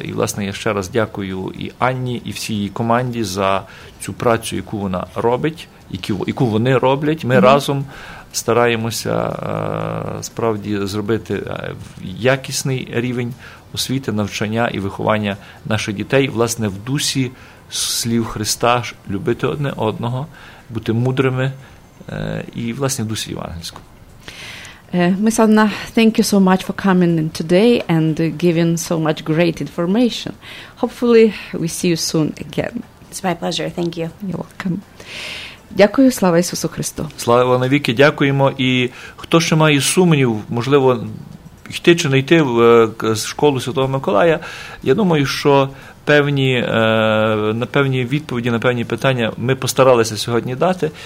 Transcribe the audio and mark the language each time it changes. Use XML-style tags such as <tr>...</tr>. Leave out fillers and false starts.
<uk>І, власне, я ще раз дякую і Анні, і всій її команді за цю працю, яку вона робить, яку вони роблять. Ми разом стараємося справді зробити якісний рівень освіти, навчання і виховання наших дітей, власне, в дусі слів Христа, любити одне одного, бути мудрими і, власне, в дусі євангельському.</uk> <en>Ms. Anna, thank you so much for coming in today and giving so much great information. Hopefully, we see you soon again. It's my pleasure. Thank you. You're welcome.</en> <uk>Дякую, слава Ісусу Христу. Слава навіки, дякуємо. І хто ще має сумнів, можливо, йти чи не йти в школу Святого Миколая, я думаю, що на певні відповіді, на певні питання ми постаралися сьогодні дати.</uk>